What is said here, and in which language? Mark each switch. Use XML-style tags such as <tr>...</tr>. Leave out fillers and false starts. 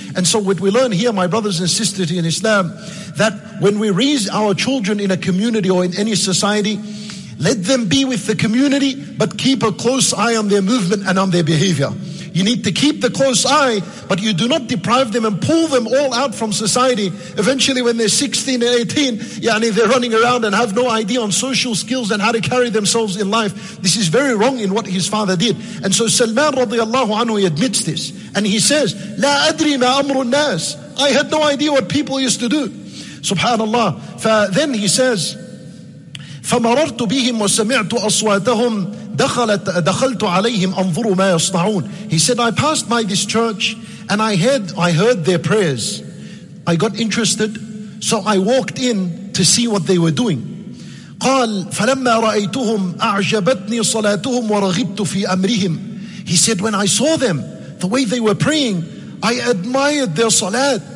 <en>And so what we learn here, my brothers and sisters in Islam, that when we raise our children in a community or in any society, let them be with the community, but keep a close eye on their movement and on their behavior. You need to keep the close eye, but you do not deprive them and pull them all out from society. Eventually, when they're 16 and 18, yani they're running around and have no idea on social skills and how to carry themselves in life. This is very wrong in what his father did. And so Salman radiallahu anhu, he admits this. And he says,</en> <ar>لا أدري ما أمر الناس.</ar> <en>I had no idea what people used to do.</en> <ar>Subhanallah.</ar> <en>Then he says,</en> <ar>فَمَرَرْتُ بِهِمْ وَسَمِعْتُ أَصْوَاتَهُمْ دَخَلْتُ عَلَيْهِمْ أَنْظُرُوا مَا يَصْنَعُونَ.</ar> <en>He said, I passed by this church and I heard their prayers. I got interested, so I walked in to see what they were doing.</en> <ar>قال فَلَمَّا رَأَيْتُهُمْ أَعْجَبَتْنِي صَلَاتُهُمْ وَرَغِبْتُ فِي أَمْرِهِمْ.</ar> <en>He said, when I saw them, the way they were praying, I admired their salat.</en>